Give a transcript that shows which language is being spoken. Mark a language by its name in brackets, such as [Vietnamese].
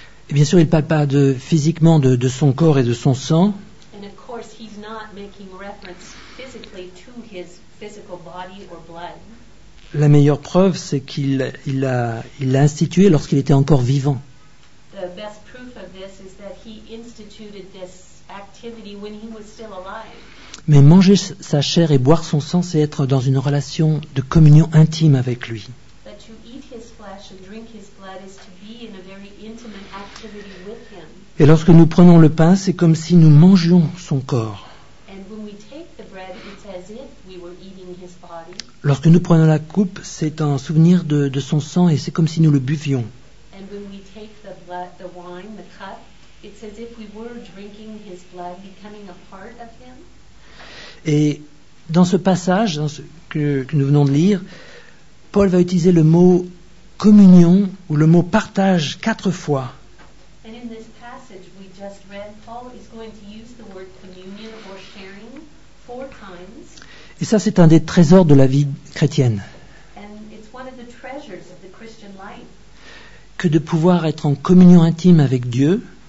[French] Et bien sûr, il ne parle pas physiquement de son corps et de son sang. [English] And of course, he's not making reference physically to his physical body or blood. [French] La meilleure preuve, c'est qu'il l'a institué lorsqu'il était encore vivant. [English] The best proof of this is that he instituted this activity when he was still alive. [French] Mais manger sa chair et boire son sang, c'est être dans une relation de communion intime avec lui. [English] But to eat his flesh and drink his blood is to be in a very intimate activity with him. [French] Et lorsque nous prenons le pain, c'est comme si nous mangions son corps. [English] And when we take the bread, it's as if we were eating his body. [French] Lorsque nous prenons la coupe, c'est un souvenir de son sang et c'est comme si nous le buvions. [English] And when we take the blood, the wine, the cup, it's as if we were drinking his blood, becoming a part of him. [French] Et dans ce passage que nous venons de lire, Paul va utiliser le mot communion ou le mot partage 4 fois. [English] And in this passage we just read, Paul is going to use the word communion or sharing 4 times. [French] Et ça, c'est un des trésors de la vie chrétienne. [English] And it's one of the treasures of the Christian life. [French] Que de pouvoir être en communion intime avec Dieu.